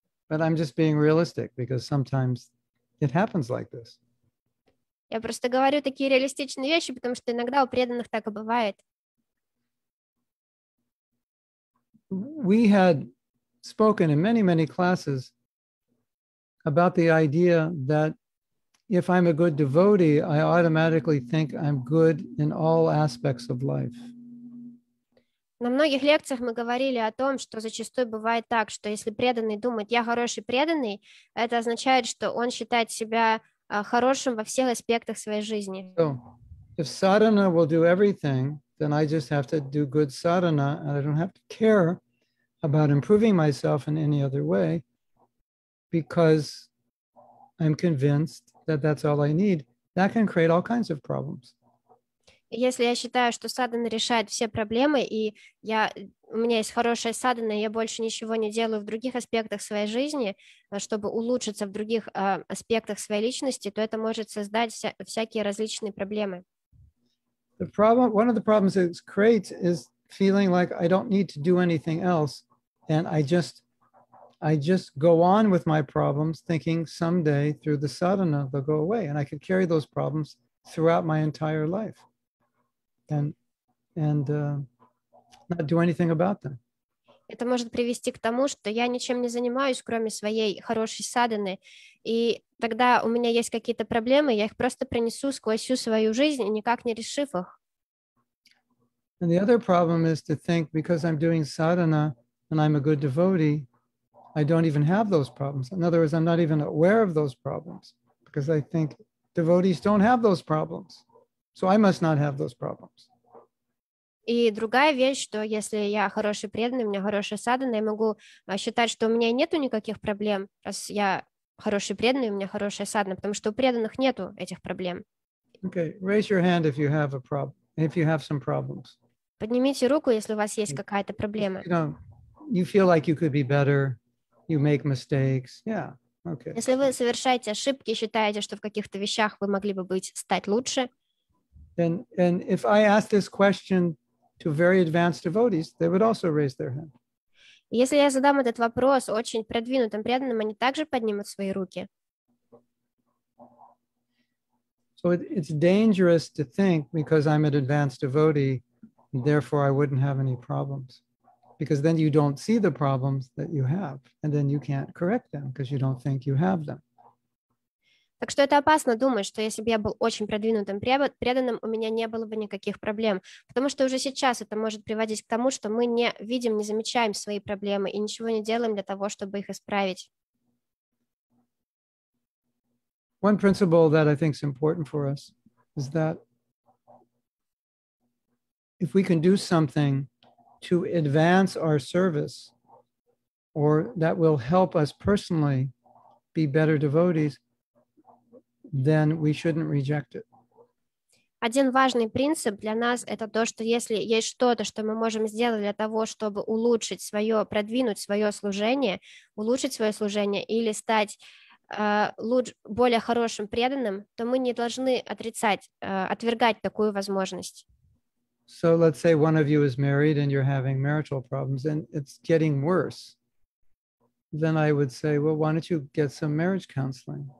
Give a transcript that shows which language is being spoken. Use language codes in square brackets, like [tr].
[en] But I'm just being realistic, because sometimes it happens like this. [ru] Я просто говорю такие реалистичные вещи, потому что иногда у преданных так и бывает. [en] We had spoken in many, many classes about the idea that if I'm a good devotee, I automatically think I'm good in all aspects of life. [ru] На многих лекциях мы говорили о том, что зачастую бывает так, что если преданный думает, я хороший преданный, это означает, что он считает себя хорошим во всех аспектах своей жизни. [en] So, if sadhana will do everything, then I just have to do good sadhana, and I don't have to care about improving myself in any other way, because I'm convinced that that's all I need, that can create all kinds of problems. [ru] Если я считаю, что садхана решает все проблемы, и я у меня есть хорошая садхана, я больше ничего не делаю в других аспектах своей жизни, чтобы улучшиться в других аспектах своей личности, то это может создать всякие различные проблемы. [en] The problem, one of the problems it creates is feeling like I don't need to do anything else, and I just go on with my problems, thinking someday through the sadhana they'll go away, and I could carry those problems throughout my entire life, and not do anything about them. [ru] Это может привести к тому, что я ничем не занимаюсь, кроме своей хорошей садханы, и тогда у меня есть какие-то проблемы, я их просто принесу сквозь всю свою жизнь, никак не решив их. [en] And the other problem is to think because I'm doing sadhana and I'm a good devotee, I don't even have those problems. In other words, I'm not even aware of those problems because I think devotees don't have those problems. So I must not have those problems. [ru] И другая вещь, что если я хороший преданный, у меня хорошая садхана, я могу считать, что у меня нету никаких проблем, раз я хороший преданный, у меня хорошая садхана, потому что у преданных нету этих проблем. [en] Okay, raise your hand if you have a problem, if you have some problems. [ru] Поднимите руку, если у вас есть какая-то проблема. [en] You know, you feel like you could be better, you make mistakes, yeah, okay. [ru] Если вы совершаете ошибки, считаете, что в каких-то вещах вы могли бы быть, стать лучше. [en] And if I ask this question to very advanced devotees, they would also raise their hand. [ru] Если я задам этот вопрос очень продвинутым преданным, они также поднимут свои руки. [en] So it's dangerous to think because I'm an advanced devotee, therefore I wouldn't have any problems. Because then you don't see the problems that you have, and then you can't correct them because you don't think you have them. [ru] Так что это опасно думать, что если бы я был очень продвинутым преданным, у меня не было бы никаких проблем. Потому что уже сейчас это может приводить к тому, что мы не видим, не замечаем свои проблемы и ничего не делаем для того, чтобы их исправить. [en] One principle that I think is important for us is that if we can do something to advance our service or that will help us personally be better devotees, then we shouldn't reject it. [ru] Один важный принцип для нас — это то, что если есть что-то, что мы можем сделать для того, чтобы улучшить свое, продвинуть свое служение, улучшить свое служение или стать более хорошим преданным, то мы не должны отвергать такую возможность. [en] So let's say one of you is married and you're having marital problems and it's getting worse. Then I would say, well, why don't you get some marriage counseling?